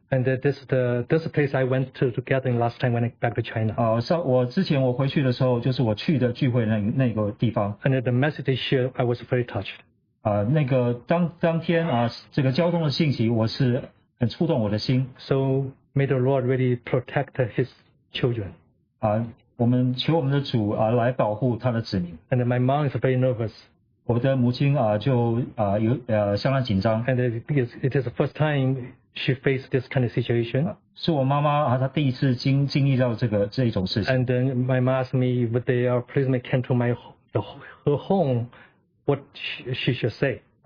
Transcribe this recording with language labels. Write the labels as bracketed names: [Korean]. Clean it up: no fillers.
[English] And this place I went to gathering last time when I back to China. [Chinese] 我之前回去的时候，就是我去的聚会那个地方。 [English] And the message they shared, I was very touched. [Chinese] 那个当天这个交通的信息，我是很触动我的心。 [English] So may the Lord really protect his children. [Chinese] 我们求我们的主来保护他的子民。 [English] And my mom is very nervous. [Chinese] 我的母亲就相当紧张。 [English] And it is the first time she faced this kind of situation. [Chinese] 是我妈妈她第一次经历到这种事情。 [English] And then my mom asked me if they are policemen came to her home, what she should say.